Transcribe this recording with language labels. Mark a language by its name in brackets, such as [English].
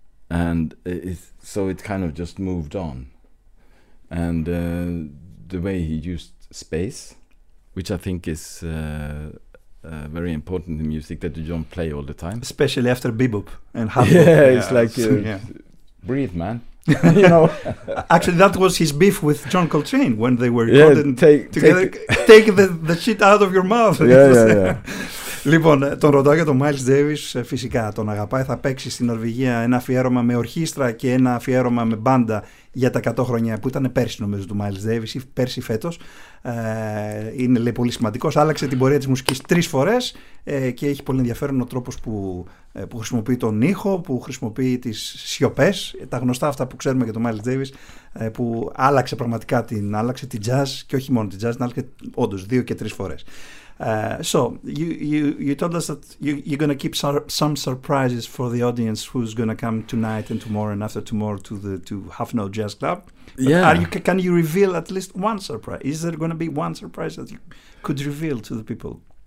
[English] And so it kind of just moved on. And the way he used space, which I think is very important in music, that you don't play all the time. Especially after bebop and hub. Yeah, it's like, breathe, man. You know. Actually, that was his beef with John Coltrane when they were recording together. Take the shit out of your mouth. Yeah. [Greek] Λοιπόν, τον ρωτώ για τον Miles Davis, φυσικά τον αγαπάει, θα παίξει στην Νορβηγία ένα αφιέρωμα με ορχήστρα και ένα αφιέρωμα με μπάντα για τα 100 χρόνια που ήταν πέρσι νομίζω του Miles Davis ή πέρσι φέτος, είναι λέει, πολύ σημαντικός, άλλαξε την πορεία της μουσικής τρεις φορές και έχει πολύ ενδιαφέρον ο τρόπος που χρησιμοποιεί τον ήχο, που χρησιμοποιεί τις σιωπές, τα γνωστά αυτά που ξέρουμε για τον Miles Davis, που άλλαξε πραγματικά την jazz και όχι μόνο την jazz, την άλλαξε όντως δύο και τρεις φορές. [English] So you told us that you're going to keep some surprises for the audience who's going to come tonight and tomorrow and after tomorrow to Half Note Jazz Club. But yeah. Can you reveal at least one surprise? Is there going to be one surprise that you could reveal to the people?